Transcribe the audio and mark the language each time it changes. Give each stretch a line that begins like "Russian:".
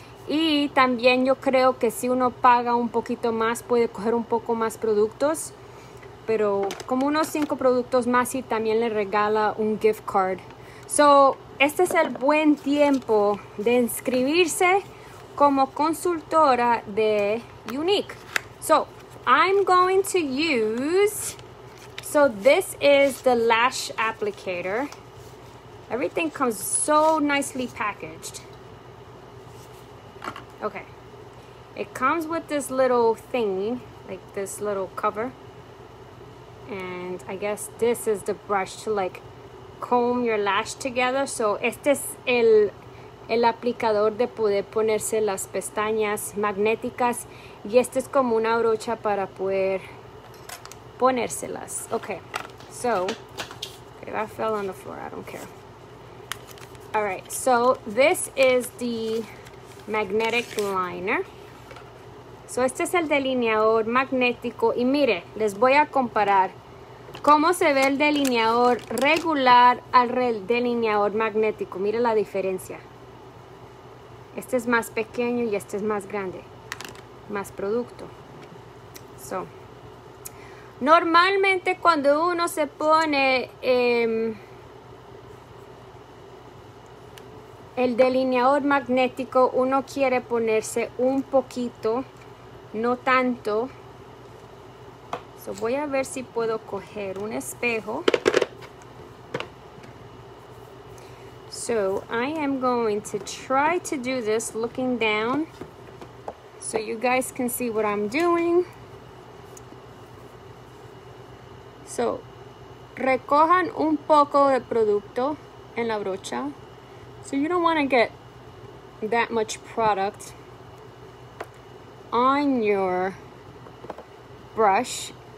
Spanish: Y también yo creo que si uno paga un poquito más, puede coger un poco más productos, pero como unos 5 productos más, y también le regala un gift card. So, este es el buen tiempo de inscribirse como consultora de Unique.
English: So, I'm going to use, so this is the lash applicator. Everything comes so nicely packaged. Okay. It comes with this little thingy, like this little cover. And I guess this is the brush to like comb your lash together.
Spanish: So, este es el aplicador de poder ponerse las pestañas magnéticas. Y este es como una brocha para poder ponérselas. Okay.
English: So, if I fell on the floor, I don't care. All right, so this is the magnetic liner.
Spanish: So este es el delineador magnético. Y mire, les voy a comparar cómo se ve el delineador regular al delineador magnético. Mire la diferencia. Este es más pequeño y este es más grande. Más producto. So, normalmente cuando uno se pone el delineador magnético, uno quiere ponerse un poquito, no tanto. So voy a ver si puedo coger un espejo.
English: So I am going to try to do this looking down so you guys can see what I'm doing.
Spanish: So recojan un poco de producto en la brocha.
English: So you don't want to get that much product on your brush.